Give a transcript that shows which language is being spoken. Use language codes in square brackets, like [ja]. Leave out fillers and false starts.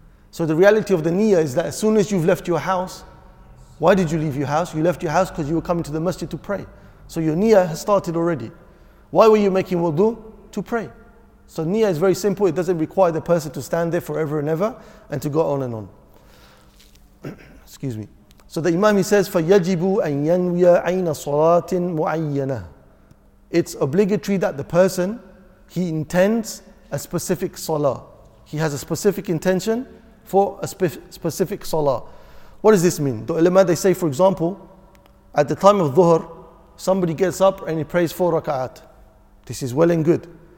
[en] So the reality of the niyyah is that as soon as you've left your house, why did you leave your house? You left your house because you were coming to the masjid to pray. So your niyyah has started already. Why were you making wudu? To pray. So niyyah is very simple. It doesn't require the person to stand there forever and ever and to go on and on. Excuse me. So the imam, he says, [ar] فَيَجِبُ أَنْ يَنْوِيَ عَيْنَ صَلَاتٍ مُعَيَّنَةٍ. [en] It's obligatory that the person, he intends a specific salah. He has a specific intention for a specific salah. What does this mean? The ulama, they say, for example, at the time of dhuhr, somebody gets up and he prays 4 rak'at. This is well and good.